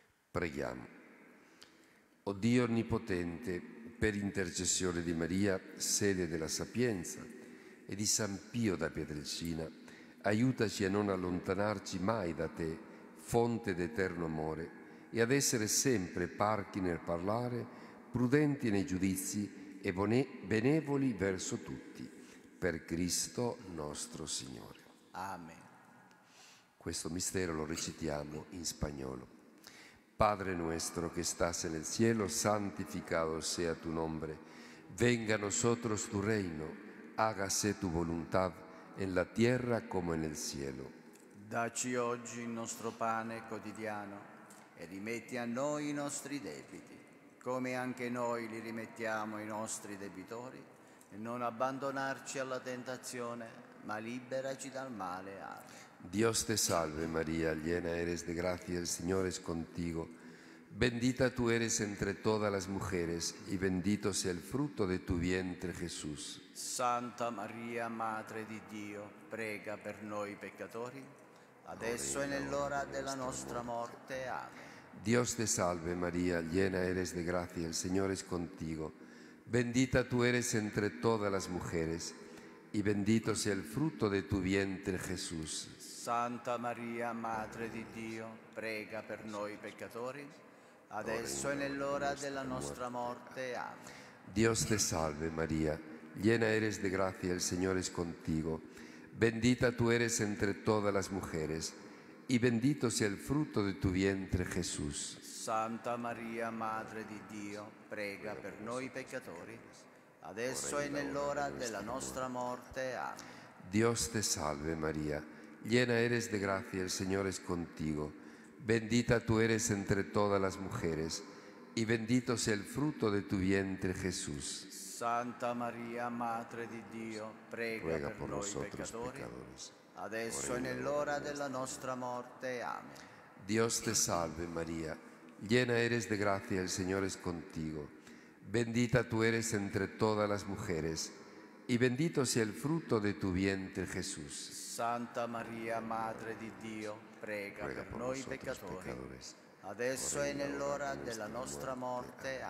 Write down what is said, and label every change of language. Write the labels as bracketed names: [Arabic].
[Italian] Preghiamo. O Dio onnipotente, per intercessione di Maria, sede della Sapienza, e di San Pio da Pietrelcina, aiutaci a non allontanarci mai da te, fonte d'eterno amore, e ad essere sempre parchi nel parlare, prudenti nei giudizi e benevoli verso tutti. Per Cristo nostro Signore. Amen. Questo mistero lo recitiamo in spagnolo. [Spanish] Padre nuestro que estás en el cielo, santificado sea tu nombre. Venga a nosotros tu reino, hágase tu voluntad en la tierra como en el cielo. [Italian] Dacci oggi il nostro pane quotidiano e rimetti a noi i nostri debiti, come anche noi li rimettiamo ai nostri debitori, e non abbandonarci alla tentazione, ma liberaci dal male. Amen. [Spanish] Dios te salve María, llena eres de gracia, el Señor es contigo. Bendita tú eres entre todas las mujeres y bendito sea el fruto de tu vientre Jesús. [Italian] Santa María, Madre di Dio, prega per noi peccatori, adesso e nell'ora della nostra morte. Amen. [Spanish] Dios te salve María, llena eres de gracia, el Señor es contigo. Bendita tú eres entre todas las mujeres y bendito sea el fruto de tu vientre Jesús. [Italian] Santa Maria, Madre di Dio, prega per noi peccatori, adesso e nell'ora della nostra morte. Amen. [Spanish] Dios te salve, Maria, llena eres de gracia, el Señor es contigo. Bendita tú eres entre todas las mujeres, y bendito sea el fruto de tu vientre, Jesús. [Italian] Santa Maria, Madre di Dio, prega per noi peccatori, adesso e nell'ora della nostra morte. Amen. [Spanish] Dios te salve, Maria, llena eres de gracia, el Señor es contigo. Bendita tú eres entre todas las mujeres y bendito sea el fruto de tu vientre, Jesús. Santa María, Madre de Dios, [Italian] prega [Spanish] por nosotros pecadores, [Italian] adesso [Spanish] en el hora de la nuestra muerte. Amén. Dios te salve, María, llena eres de gracia, el Señor es contigo. Bendita tú eres entre todas las mujeres y bendito sea el fruto de tu vientre, Jesús. [Italian] Santa Maria, Madre di Dio, prega per noi peccatori, adesso e nell'ora della nostra morte.